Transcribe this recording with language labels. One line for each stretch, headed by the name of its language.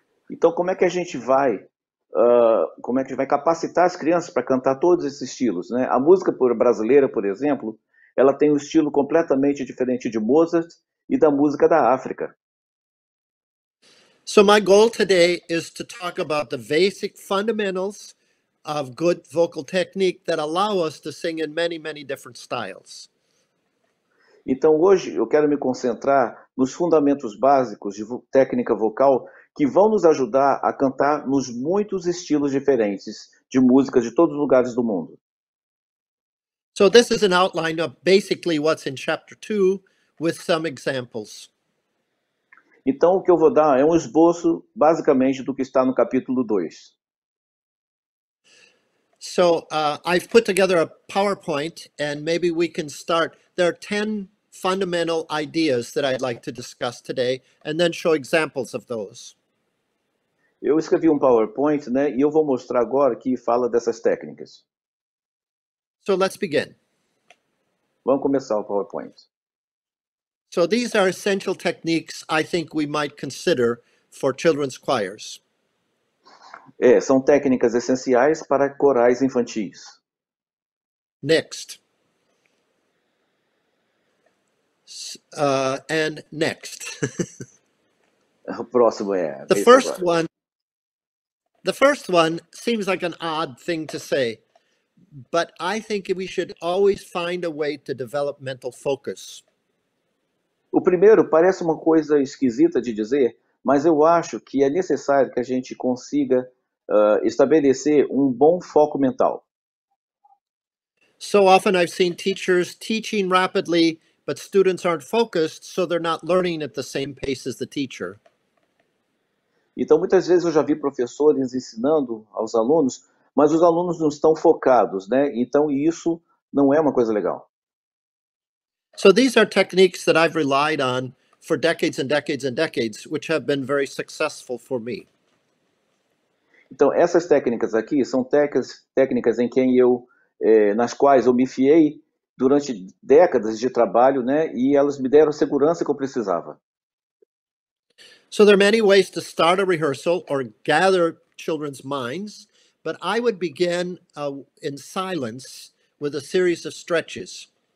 Portuguese: Então, como é que a gente vai, como é que a gente vai capacitar as crianças para cantar todos esses estilos, né? A música brasileira, por exemplo, ela tem um estilo completamente diferente de Mozart e da música da África.
English: So my goal today is to talk about the basic fundamentals of good vocal technique that allow us to sing in many, many different styles.
Portuguese: Então hoje eu quero me concentrar nos fundamentos básicos de técnica vocal que vão nos ajudar a cantar nos muitos estilos diferentes de música de todos os lugares do mundo.
English: So this is an outline of basically what's in chapter 2 with some examples.
Portuguese: Então, o que eu vou dar é um esboço, basicamente, do que está no capítulo 2.
English: So, I've put together a PowerPoint, and maybe we can start. There are 10 fundamental ideas that I'd like to discuss today, and then show examples of those.
Portuguese: Eu escrevi um PowerPoint, né, e eu vou mostrar agora que fala dessas técnicas.
English: So, let's begin.
Portuguese: Vamos começar o PowerPoint.
English: So these are essential techniques I think we might consider for children's choirs.
Portuguese: São técnicas essenciais para corais infantis.
English: Next. And next.
Portuguese: O próximo é.
English: The first one seems like an odd thing to say, but I think we should always find a way to develop mental focus.
Portuguese: O primeiro parece uma coisa esquisita de dizer, mas eu acho que é necessário que a gente consiga estabelecer um bom foco mental.
English: So often I've seen teachers teaching rapidly, but students aren't focused, so they're not learning at the same pace as the teacher.
Portuguese: Então muitas vezes eu já vi professores ensinando aos alunos, mas os alunos não estão focados, né? Então isso não é uma coisa legal.
English: So these are techniques that I've relied on for decades and decades and decades, which have been very successful for me.
Portuguese: Então essas técnicas aqui são técnicas em quem eu nas quais eu me fiei durante décadas de trabalho, né, e elas me deram a segurança que eu precisava.
English: So there are many ways to start a rehearsal or gather children's minds, but I would begin in silence with a series of stretches.